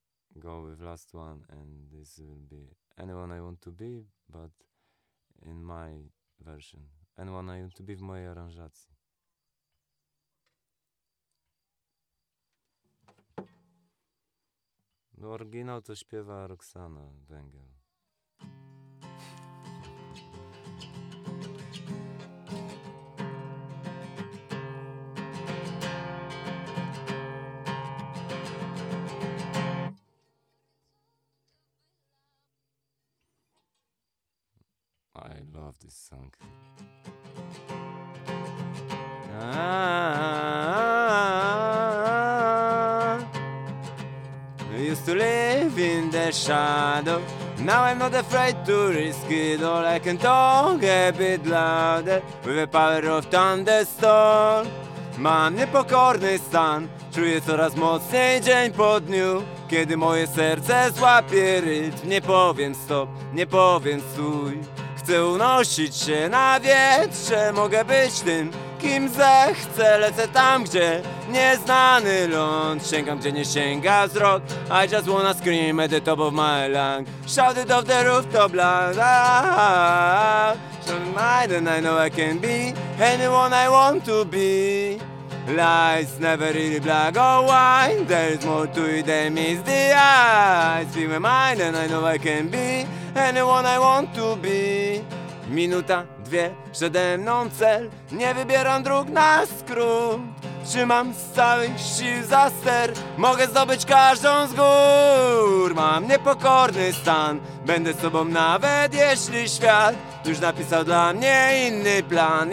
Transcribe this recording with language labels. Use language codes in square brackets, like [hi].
[en] go with last one, and this will be Anyone I Want To Be, but in my version. [pl] Anyone I Want To Be w mojej aranżacji. No, oryginał to śpiewa Roxana Węgiel. [en] I love this song. I used to live in the shadow. Now I'm not afraid to risk it all. I can talk a bit louder with the power of thunderstorm. [pl] Mam niepokorny stan, czuję coraz mocniej dzień po dniu. Kiedy moje serce złapie rytm, nie powiem stop, nie powiem stój. Chcę unosić się na wietrze, mogę być tym, kim zechcę. Lecę tam, gdzie nieznany ląd, sięgam, gdzie nie sięga wzrok. [en] I just wanna scream at the top of my lung. Shout it off the rooftop, loud. Shout it mine, and I know I can be anyone I want to be. Life's never really black or white, there's more to it than meets the eyes. Feel my mind, and I know I can be anyone I want to be. [pl] Minuta, dwie, przede mną cel. Nie wybieram dróg na skrót. Trzymam z całych sił za ster. Mogę zdobyć każdą z gór. Mam niepokorny stan. Będę sobą nawet jeśli świat już napisał dla mnie inny plan.